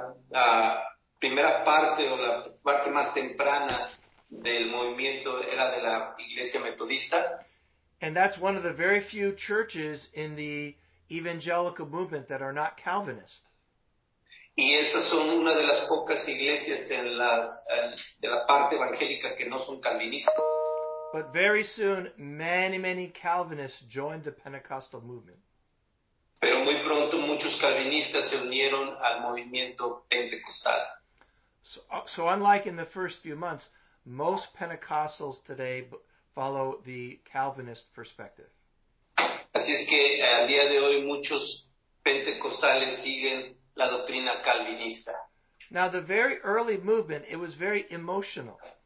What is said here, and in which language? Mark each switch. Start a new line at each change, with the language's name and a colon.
Spanish: La primera parte más temprana del movimiento era de la Iglesia Metodista.
English: And that's one of the very few churches in the evangelical movement that are not Calvinist.
Spanish: Y esas son una de las pocas iglesias de la parte evangélica que no son calvinistas.
English: But very soon, many, many Calvinists joined the Pentecostal movement.
Spanish: Pero muy pronto, muchos calvinistas se unieron al movimiento pentecostal.
English: So unlike in the first few months, most Pentecostals today follow the Calvinist perspective.
Spanish: Así es que al día de hoy, muchos pentecostales siguen la doctrina calvinista.
English: Now, the very early movement, it was very emotional.